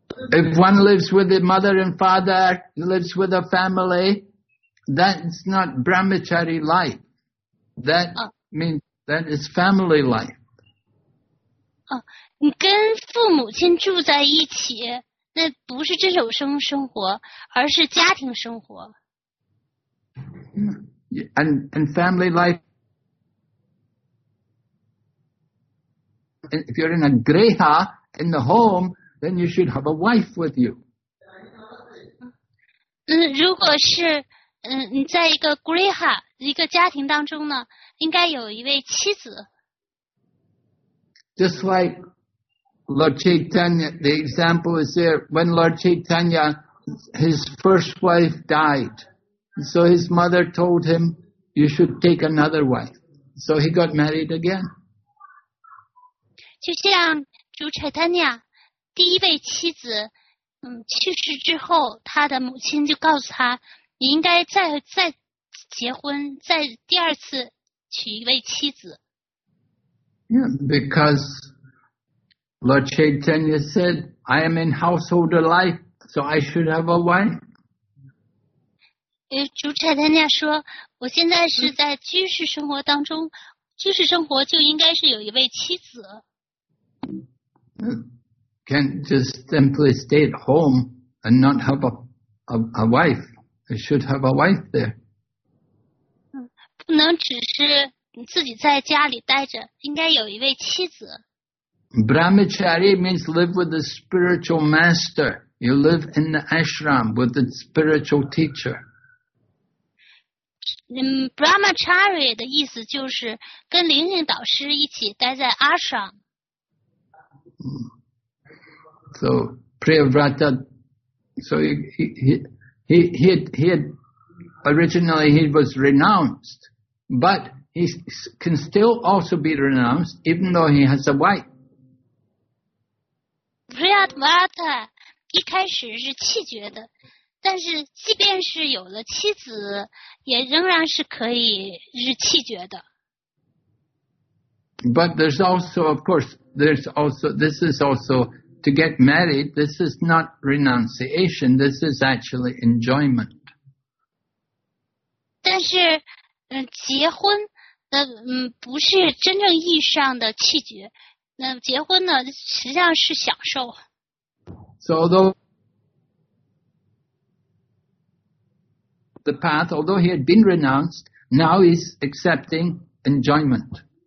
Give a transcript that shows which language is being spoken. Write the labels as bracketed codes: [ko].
[en] If one lives with a mother and father, lives with a family, that's not brahmachari life. That means that is family life. [zh] 你跟父母亲住在一起，那不是真守生生活，而是家庭生活。 [en] And family life. If you're in a griha in the home, then you should have a wife with you. [zh] 如果是你在一个 griha 一个家庭当中呢，应该有一位妻子。 [en] Just like Lord Chaitanya, the example is there. When Lord Chaitanya, his first wife died, so his mother told him, "You should take another wife." So he got married again. [zh] 就像主柴丹尼亚第一位妻子去世之后，他的母亲就告诉他，你应该再结婚，再第二次娶一位妻子。 [en] Yeah, because Lord Chaitanya said, I am in household life, so I should have a wife. [zh] 主柴丹尼亚说，我现在是在居士生活当中，居士生活就应该是有一位妻子。 [en] Can't just simply stay at home and not have a wife. I should have a wife there. [zh] 不能只是自己在家里待着，应该有一位妻子。 [en] Brahmachari means live with the spiritual master. You live in the ashram with the spiritual teacher. [zh] Brahmachari 的意思就是跟灵性导师一起待在 ashram。 [en] So Priyavrata, so he had originally he was renounced, but he can still also be renounced even though he has a wife. [zh] Priyavrata 一开始是弃绝的，但是即便是有了妻子，也仍然是可以是弃绝的。 [en] But there's also, of course, there's also, this is also, to get married, this is not renunciation, this is actually enjoyment. [zh] 但是结婚不是真正意义上的弃绝，结婚呢实际上是享受。 [en] So although the path, although he had been renounced, now he's accepting enjoyment.